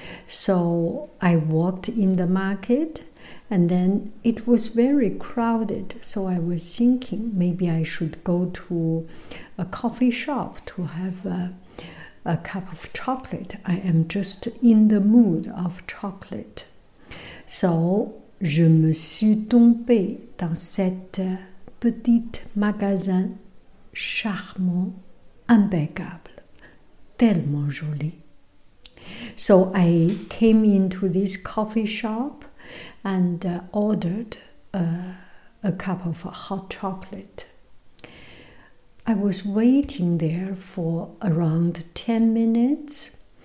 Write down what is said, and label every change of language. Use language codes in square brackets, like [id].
[en] So I walked in the market. And then it was very crowded, so I was thinking maybe I should go to a coffee shop to have a cup of chocolate. I am just in the mood of chocolate. [fr] So, je me suis tombé dans cette petite magasin charmant, impeccable, tellement joli. [en] So I came into this coffee shop and ordered a cup of hot chocolate. I was waiting there for around 10 minutes.